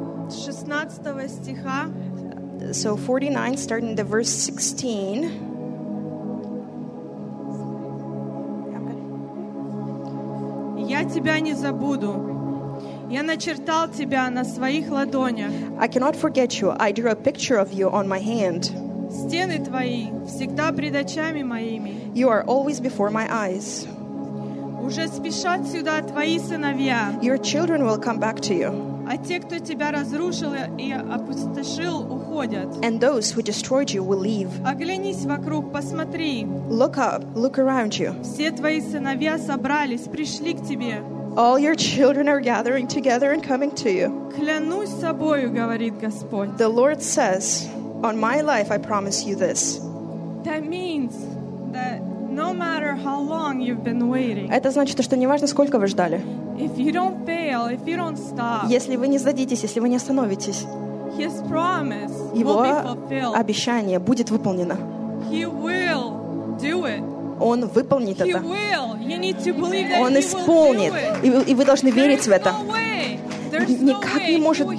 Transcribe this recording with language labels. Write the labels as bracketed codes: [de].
[ru] 16 стиха. [en] So 49, starting the verse 16. [ru] Я тебя не забуду. Я начертал тебя на своих ладонях. [en] I cannot forget you. I drew a picture of you on my hand. [ru] Стены твои всегда пред очами моими. [en] You are always before my eyes. [ru] Уже спешат сюда твои сыновья. [en] Your children will come back to you. [ru] А те, кто тебя разрушил и опустошил, уходят. [en] And those who destroyed you will leave. [ru] Оглянись вокруг, посмотри. [en] Look up, look around you. [ru] Все твои сыновья собрались, пришли к тебе. [en] All your children are gathering together and coming to you. [ru] Клянусь собою, говорит Господь. [en] The Lord says, on my life I promise you this. That means that no matter how long you've been waiting. [ru] Это значит, что неважно, сколько вы ждали. [en] If you don't fail, if you don't stop, [ru] если вы не сдадитесь, если вы не остановитесь, [en] His promise [ru] его [en] will be fulfilled. [ru] Обещание будет выполнено. [en] He will do it. [ru] Он выполнит [en] He [ru] это. [en] Will. You need to believe that [ru] Он исполнит. [en] He will do it. [ru] И вы должны верить в это. [en] No way. [ru] Никак не может быть,